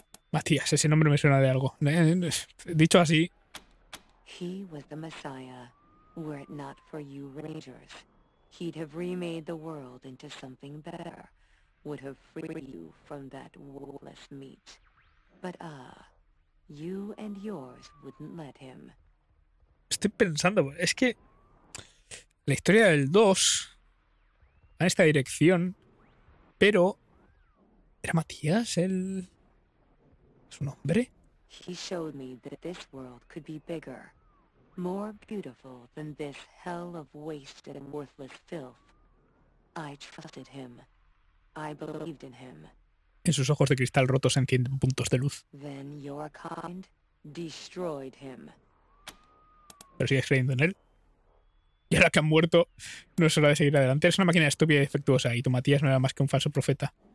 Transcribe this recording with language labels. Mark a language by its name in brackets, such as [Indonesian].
[Spanish] Matías, ese nombre me suena de algo. Dicho así. [English] He was the Messiah. Were it not for you rangers, he'd have remade the world into something better. Would have freed you from that warless Meat. But you and yours wouldn't let him. [Spanish] Estoy pensando, es que la historia del 2 va en esta dirección, pero ¿era Matías el su nombre? [English] He showed me that this world could be bigger, more beautiful than this hell of wasted and worthless filth. I trusted him. I believed in him. [Spanish] En sus ojos de cristal rotos se encienden puntos de luz. [English] Then your kind destroyed him. [Spanish] Pero sigues creyendo en él. Y ahora que han muerto, no es hora de seguir adelante. Es una máquina estúpida y defectuosa, y tu Matías no era más que un falso profeta.